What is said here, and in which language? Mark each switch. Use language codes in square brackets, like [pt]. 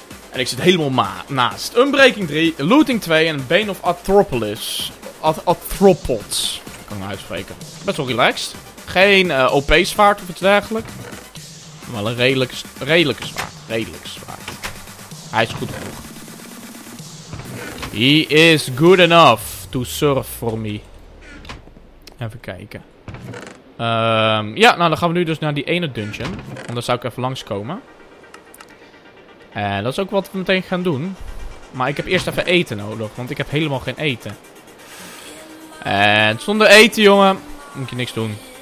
[nl] En ik zit helemaal naast. Unbreaking 3, Looting 2 en Bane of Atropolis. Atropods. Kan ik uitspreken. Best wel relaxed. Geen OP-zwaard of iets dergelijks. Wel een redelijke zwaard. Hij is goed genoeg. [en] He is good enough to serve for me. [nl] Even kijken. Dan gaan we nu dus naar die ene dungeon. Want daar zou ik even langskomen. En dat is ook wat we meteen gaan doen. Maar ik heb eerst even eten nodig. Want ik heb helemaal geen eten. En zonder eten, jongen, moet je niks doen.